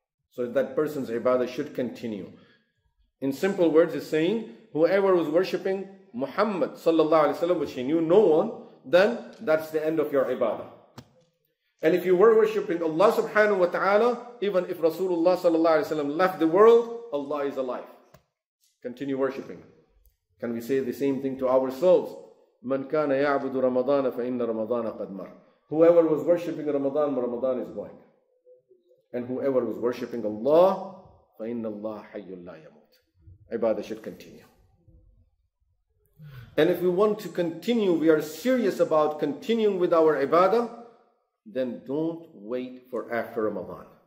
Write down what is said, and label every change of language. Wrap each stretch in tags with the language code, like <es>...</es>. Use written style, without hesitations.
<en>So that person's ibadah should continue. In simple words, he's saying, whoever was worshipping Muhammad sallallahu alayhi wa sallam, which he knew no one, then that's the end of your ibadah. And if you were worshipping Allah subhanahu wa ta'ala, even if Rasulullah sallallahu alayhi wa sallam left the world, Allah is alive. Continue worshipping. Can we say the same thing to ourselves?</en> <ar>مَنْ كَانَ يَعْبُدُ رَمَضَانَ فَإِنَّ رَمَضَانَ قَدْ مَرْ</ar> <en>Whoever was worshipping Ramadan, Ramadan is going. And whoever was worshipping Allah,</en> <ar>فَإِنَّ اللَّهَ حَيُّ لَا يَمُوتُ</ar> <en>Ibadah should continue. And if we want to continue, we are serious about continuing with our ibadah, then don't wait for after Ramadan.</en>